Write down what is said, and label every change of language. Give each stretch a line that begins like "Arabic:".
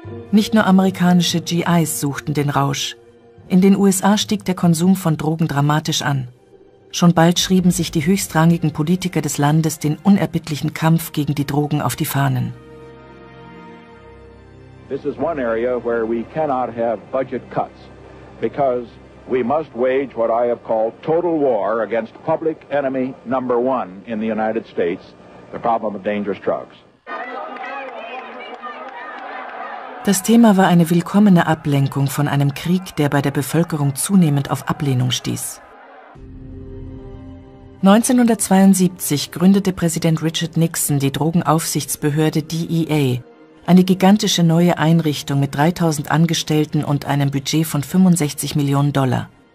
German: Nicht nur amerikanische GIs suchten den Rausch. In den USA stieg der Konsum von Drogen dramatisch an. Schon bald schrieben sich die höchstrangigen Politiker des Landes den unerbittlichen Kampf gegen die Drogen auf die Fahnen.
English: This is one area where we cannot have budget cuts, because we must wage what I have called total war against public enemy number one in the United States, the problem of dangerous drugs.
German: Das Thema war eine willkommene Ablenkung von einem Krieg, der bei der Bevölkerung zunehmend auf Ablehnung stieß. 1972 gründete Präsident Richard Nixon die Drogenaufsichtsbehörde DEA, eine gigantische neue Einrichtung mit 3000 Angestellten und einem Budget von 65 Millionen Dollar.